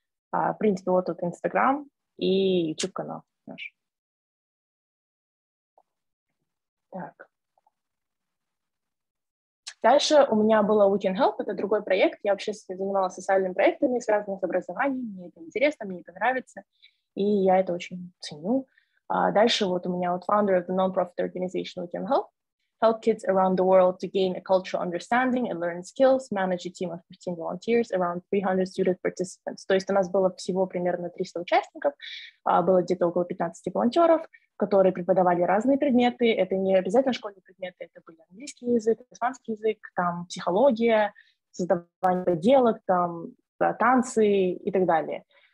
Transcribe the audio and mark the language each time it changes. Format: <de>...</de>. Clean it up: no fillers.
<ru>В принципе, вот тут Instagram и YouTube-канал наш. Так. Дальше у меня было We Can Help, это другой проект. Я вообще занималась социальными проектами, связанными с образованием. Мне это интересно, мне это нравится, и я это очень ценю. Дальше вот у меня вот</ru> <en>founder of the non-profit organization</en> <ru>We Can Help.</ru> <en>Help kids around the world to gain a cultural understanding and learn skills, manage a team of 15 volunteers, around 300 student participants.</en> <ru>То есть у нас было всего примерно 300 участников, было где-то около 15 волонтеров, которые преподавали разные предметы. Это не обязательно школьные предметы, это были английский язык, испанский язык, там психология, создавание поделок, там танцы и так далее.</ru>